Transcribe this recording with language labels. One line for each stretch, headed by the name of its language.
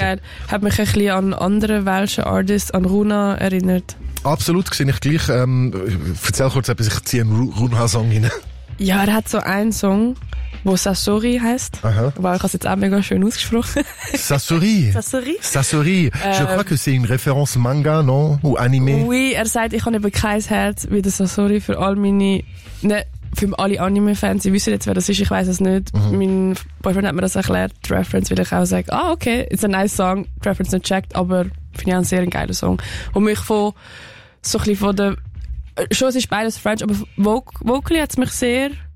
German: Geil. Hat mich ein bisschen an andere welschen Artists, an Runa erinnert. Absolut, sehe ich gleich. Erzähl kurz etwas, ich ziehe einen Runa-Song rein. Ja, er hat so einen Song, wo Sasori heisst. Aber ich habe es jetzt auch mega schön ausgesprochen. Sasori. Sasori. Sasori.
French: Je crois que c'est une référence Manga, non? Ou Anime?
German: Oui, er sagt, ich habe eben kein Herz wie der Sasori für all meine... Ne, für alle Anime-Fans. Sie wissen jetzt, wer das ist, ich weiss es nicht. Mhm. Mein Boyfriend hat mir das erklärt, die Reference, weil ich auch sage, ah, okay, it's a nice song, die Reference nicht checkt, aber finde ich auch einen sehr geilen Song. Und mich von so ein bisschen von der... Schon, es ist beides French, aber vocally hat es mich sehr...